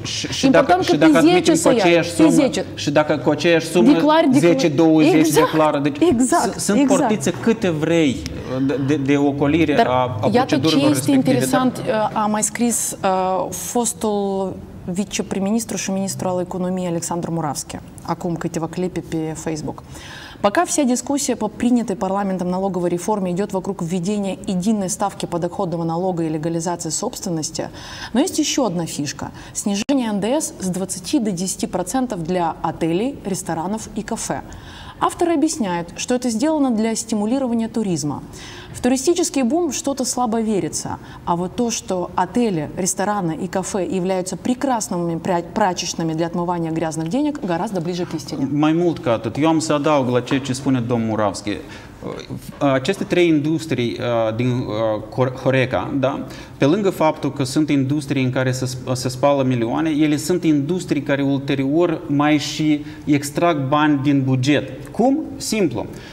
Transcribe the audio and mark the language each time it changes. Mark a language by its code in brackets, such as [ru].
[ro] Și important dacă, că și dacă pe 10 să ia, sumă, pe 10. Și dacă cu aceeași sumă, 10-20 declară. Exact, deci, sunt portițe câte vrei. de ocolire Dar a procedurilor respective. Iată ce este interesant, a mai scris fostul viceprim-ministru și ministru al economiei Alexandru Muravski, acum câteva clipe pe Facebook. [ru] Пока вся дискуссия по принятой парламентом налоговой реформе идет вокруг введения единой ставки подоходного налога и легализации собственности, но есть еще одна фишка – снижение НДС с 20 до 10% для отелей, ресторанов и кафе. Авторы объясняют, что это сделано для стимулирования туризма. В туристический бум что-то слабо верится, а вот то, что отели, рестораны и кафе являются прекрасными прачечными для отмывания грязных денег, гораздо ближе к истине. [ro] Mai mult ca atât. Eu am să adaug la ce spune domnul Muravski. Aceste trei industrii din Horeca, da? Pe lângă faptul că sunt industrii în care se spală milioane, ele sunt industrii care ulterior mai și extrag bani din buget. Cum? Simplu.